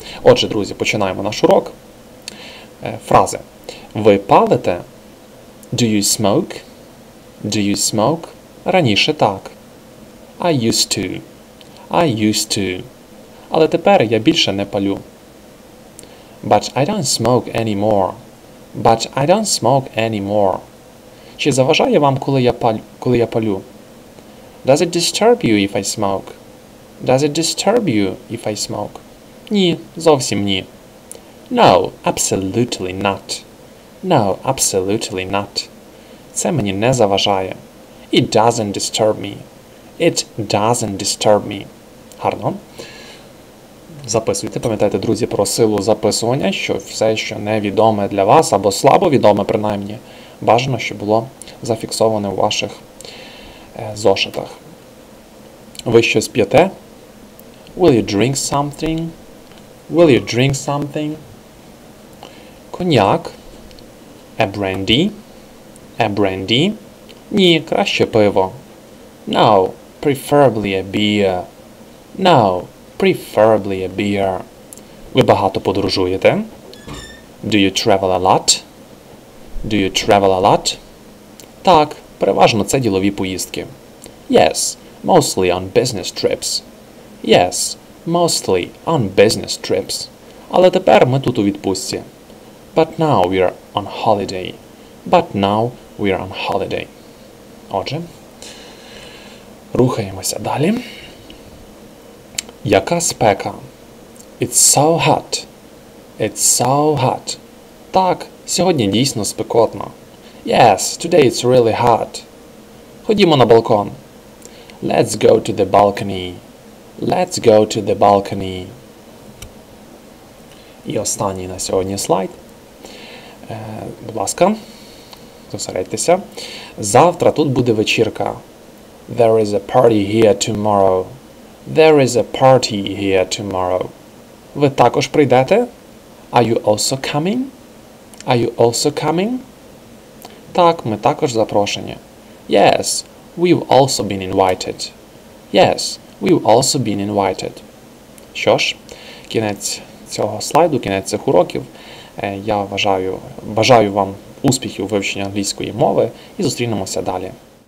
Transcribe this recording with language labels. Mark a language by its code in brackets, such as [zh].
[uk] Отже, друзі, починаємо наш урок. Фрази. Ви палите? [en] Do you smoke? Do you smoke? [uk] Раніше так. [en] I used to. I used to. [uk] Але тепер я більше не палю. [en] But I don't smoke anymore. But I don't smoke anymore. [uk] Чи заважає вам, коли я палю? [en] Does it disturb you if I smoke? Does it disturb you if I smoke? [uk] Ні, зовсім ні. [en] No, absolutely not. No, absolutely not. [uk] Це мені не заважає. [en] It doesn't disturb me. It doesn't disturb me. [uk] Гарно? Записуйте, пам'ятайте, друзі, про силу записування, що все, що невідоме для вас, або слабо відоме, принаймні, бажано, щоб було зафіксоване в ваших зошитах. Ви щось п'єте? [en] Will you drink something? Will you drink something? [uk] Коньяк? [en] A brandy? A brandy? [uk] Ні, краще пиво. [en] No, preferably a beer. No. Preferably a beer. [uk] Ви багато подорожуєте? [en] Do you travel a lot? Do you travel a lot? [uk] Так, переважно це ділові поїздки. [en] Yes, mostly on business trips. Yes, mostly on business trips. [uk] Але тепер ми тут у відпустці. [en] But now we are on holiday. But now we are on holiday. [uk] Отже, рухаємося далі. Яка спека? [en] It's so hot. It's so hot. [uk] Так, сьогодні дійсно спекотно. [en] Yes, today it's really hot. [uk] Ходімо на балкон. [en] Let's go to the balcony. Let's go to the balcony. [uk] І останній на сьогодні слайд. Будь ласка, зосередьтеся. Завтра тут буде вечірка. [en] There is a party here tomorrow. There is a party here tomorrow. [uk] Ви також прийдете? [en] Are you also coming? Are you also coming? [uk] Так, ми також запрошені. [en] Yes, we've also been invited. Yes, we've also been invited. [uk] Що ж, кінець цього слайду, кінець цих уроків. Я бажаю вам успіхів у вивченні англійської мови і зустрінемося далі.